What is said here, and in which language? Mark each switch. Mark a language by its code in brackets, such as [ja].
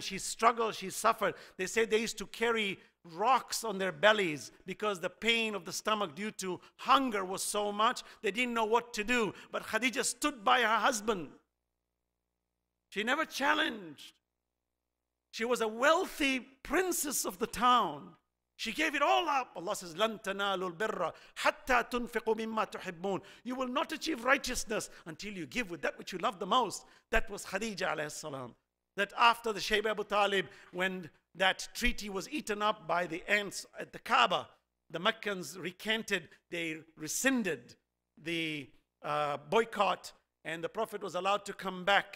[en] She struggled, she suffered. They said they used to carry rocks on their bellies because the pain of the stomach due to hunger was so much, they didn't know what to do. But Khadija stood by her husband. She never challenged. She was a wealthy princess of the town. She gave it all up. Allah says, [ar] لَن تَنَالُوا الْبِرَّ حَتَّى تُنْفِقُوا مِمَّا تُحِبُّونَ. [en] You will not achieve righteousness until you give with that which you love the most. That was Khadija alayhi salam. That after the Shaybi Abu Talib, when that treaty was eaten up by the ants at the Kaaba, the Meccans recanted, they rescinded the boycott, and the Prophet was allowed to come back.